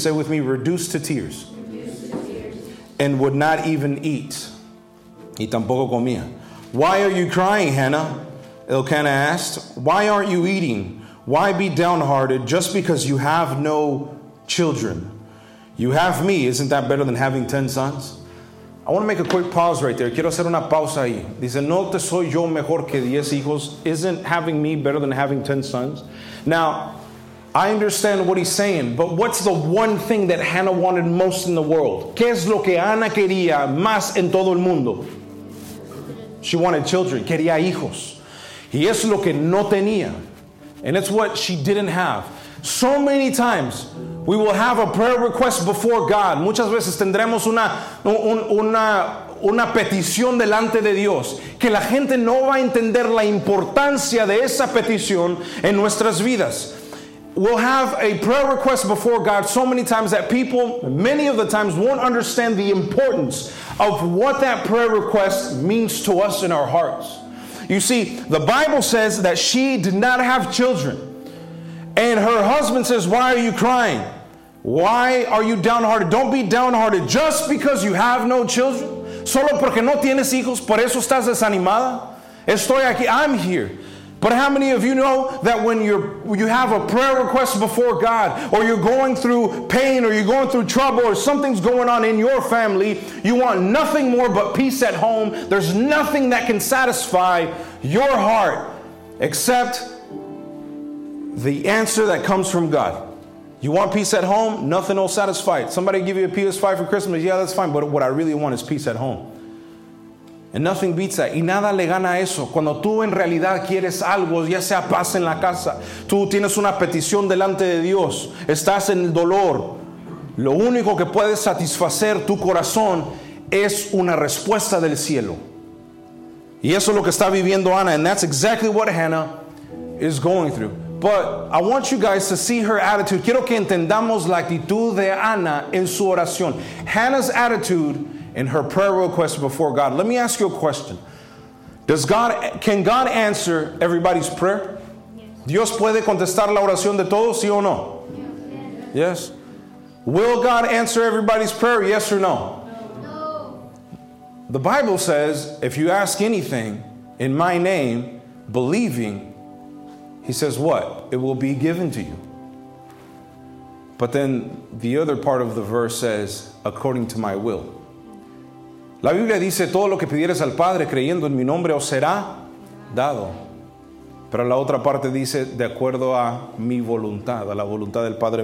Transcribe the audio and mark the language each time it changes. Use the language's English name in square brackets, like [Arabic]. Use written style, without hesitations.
[English] Say with me, reduced to tears. And would not even eat. [Spanish] Y tampoco comía. [English] Why are you crying, Hannah? Elkanah asked. Why aren't you eating? Why be downhearted just because you have no children? You have me. Isn't that better than having 10 sons? I want to make a quick pause right there. [Spanish] Quiero hacer una pausa ahí. Dice, no te soy yo mejor que 10 hijos. [English] Isn't having me better than having 10 sons? Now, I understand what he's saying, but what's the one thing that Hannah wanted most in the world? [Spanish] ¿Qué es lo que Ana quería más en todo el mundo? [English] She wanted children. [Spanish] Quería hijos. Y es lo que no tenía. [English] And it's what she didn't have. So many times, we will have a prayer request before God. [Spanish] Muchas veces tendremos una petición delante de Dios. Que la gente no va a entender la importancia de esa petición en nuestras vidas. [English] We'll have a prayer request before God so many times that people, many of the times, won't understand the importance of what that prayer request means to us in our hearts. You see, the Bible says that she did not have children. And her husband says, why are you crying? Why are you downhearted? Don't be downhearted just because you have no children. [Spanish] Solo porque no tienes hijos, por eso estás desanimada. Estoy aquí, [English] I'm here. But how many of you know that when you have a prayer request before God, or you're going through pain, or you're going through trouble, or something's going on in your family, you want nothing more but peace at home. There's nothing that can satisfy your heart except the answer that comes from God. You want peace at home? Nothing will satisfy it. Somebody give you a PS5 for Christmas? Yeah, that's fine. But what I really want is peace at home. And nothing beats that. [Spanish] Y nada le gana a eso. Cuando tú en realidad quieres algo, ya sea paz en la casa, tú tienes una petición delante de Dios, estás en el dolor, lo único que puede satisfacer tu corazón es una respuesta del cielo. Y eso es lo que está viviendo Ana. [English] And that's exactly what Hannah is going through. But I want you guys to see her attitude. Quiero que entendamos la actitud de Ana en su oración. Hannah's attitude in her prayer request before God. Let me ask you a question. Can God answer everybody's prayer? Yes. [Spanish] ¿Dios puede contestar la oración de todos, sí o no? [English] Yes. Yes. Will God answer everybody's prayer, yes or no? No. The Bible says, if you ask anything in my name, believing, he says what? It will be given to you. But then the other part of the verse says, according to my will. [Spanish] La Biblia dice, todo lo que pidieres al Padre creyendo en mi nombre os será dado. Pero la otra parte dice, de acuerdo a mi voluntad, a la voluntad del Padre.